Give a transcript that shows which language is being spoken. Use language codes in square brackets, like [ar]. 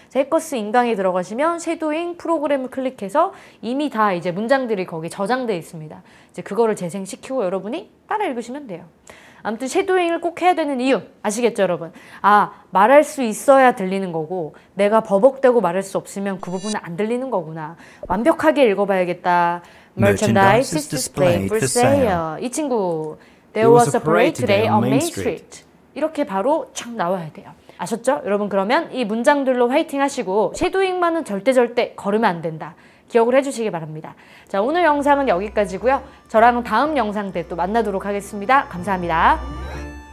[ko] 해커스 인강에 들어가시면 쉐도잉 프로그램을 클릭해서 이미 다 이제 문장들이 거기 저장되어 있습니다. 이제 그거를 재생시키고 여러분이 따라 읽으시면 돼요. 아무튼 쉐도잉을 꼭 해야 되는 이유 아시겠죠, 여러분? 아, 말할 수 있어야 들리는 거고 내가 버벅대고 말할 수 없으면 그 부분은 안 들리는 거구나. 완벽하게 읽어봐야겠다. [en] Merchandise is displayed for sale. [ko] 이 친구, [en] There was a parade today on Main Street. [ko] 이렇게 바로 촥 나와야 돼요. 아셨죠? 여러분, 그러면 이 문장들로 화이팅 하시고 쉐도잉만은 절대 걸으면 안 된다. 기억을 해주시기 바랍니다. 자, 오늘 영상은 여기까지고요. 저랑은 다음 영상 때 또 만나도록 하겠습니다. 감사합니다.